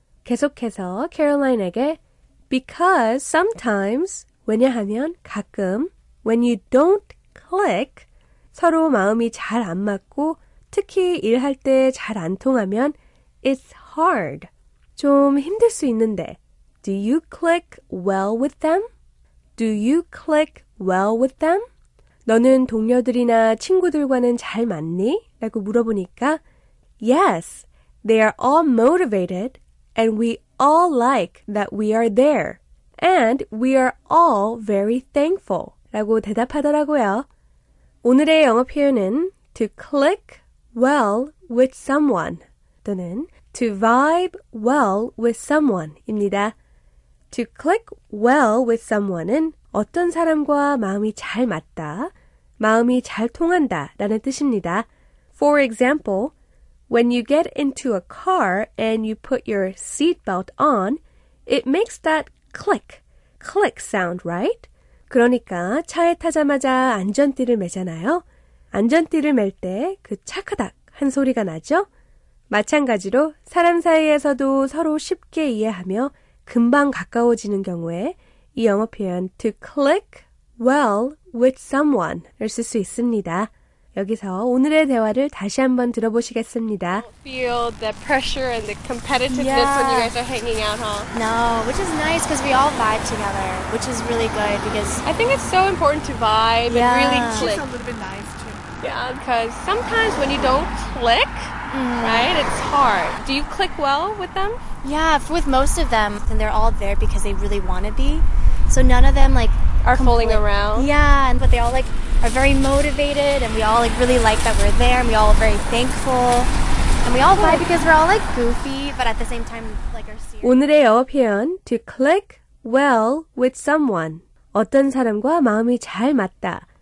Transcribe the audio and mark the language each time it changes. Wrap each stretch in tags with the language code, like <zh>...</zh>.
<ko>계속해서 캐롤라인에게</ko> <en>Because sometimes,</en> <ko>왜냐하면 가끔</ko> <en>When you don't click,</en> <ko>서로 마음이 잘 안 맞고 특히 일할 때 잘 안 통하면</ko> <en>It's hard.</en> <ko>좀 힘들 수 있는데,</ko> <en>Do you click well with them? Do you click well with them?</en> <ko>너는 동료들이나 친구들과는 잘 맞니? 라고 물어보니까,</ko> <en>Yes, they are all motivated, and we all like that we are there, and we are all very thankful.</en> <ko>라고 대답하더라고요. 오늘의 영어 표현은</ko> <en>To click well with someone</en> <ko>또는</ko> <en>To vibe well with someone</en> <ko>입니다.</ko> <en>To click well with someone</en> <ko>은 어떤 사람과 마음이 잘 맞다, 마음이 잘 통한다 라는 뜻입니다.</ko> <en>For example, when you get into a car and you put your seatbelt on, it makes that click sound, right?</en> <ko>그러니까 차에 타자마자 안전띠를 매잖아요. 안전띠를 맬 때 그 차크닥 한 소리가 나죠? 마찬가지로 사람 사이에서도 서로 쉽게 이해하며 금방 가까워지는 경우에 이 영어 표현</ko> <en>to click well with someone</en> <ko>을 쓸 수 있습니다. 여기서 오늘의 대화를 다시 한번 들어보시겠습니다.</ko> <en>Feel the pressure and the competitiveness yeah. when you guys are hanging out, huh? No, which is nice because we all vibe together, which is really good because I think it's so important to vibe yeah. and really click. It's a little bit nice too. Yeah, because sometimes when you don't click, mm. right, it's hard. Do you click well with them? Yeah, with most of them. And they're all there because they really want to be. So none of them, like... Are fooling around. Yeah, and but they all, like, are very motivated. And we all, like, really like that we're there. And we all are very thankful. And we all vibe cool. because we're all, like, goofy. But at the same time, like, are serious.</en> <ko>오늘의 영어 표현,</ko> <en>to click well with someone.</en> <ko>어떤 사람과 마음이 잘 맞다.</ko>